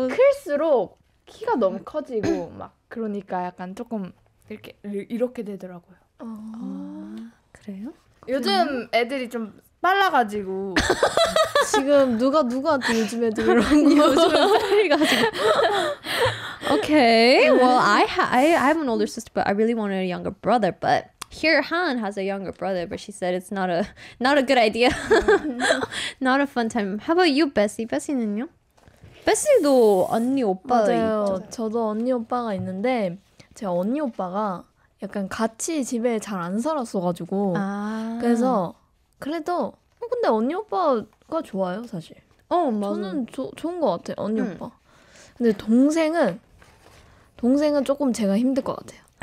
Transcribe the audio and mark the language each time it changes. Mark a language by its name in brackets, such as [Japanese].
[Korean] 근데 클수록 키가 너무 커지고 막. 그러니까 약간 조금 이렇게 되더라고요. 아, 그래요? 요즘 애들이 좀 빨라가지고 지금 누가 요즘 애들 이런 거 요즘 빨리가지고. [English] Okay, well I have an older sister, but I really wanted a younger brother. But here Han has a younger brother, but she said it's not a good idea, not a fun time. How about you, Bessie? [Korean] Bessie는요? 베시도 언니 오빠가 있죠. 맞아요. 저도 언니 오빠가 있는데 제 언니 오빠가 약간 같이 집에 잘 안 살았어가지고 아. 그래서 그래도 근데 언니 오빠가 좋아요 사실. 어 맞아. 저는 좋은 것 같아요 언니 오빠. 근데 동생은 조금 제가 힘들 것 같아요.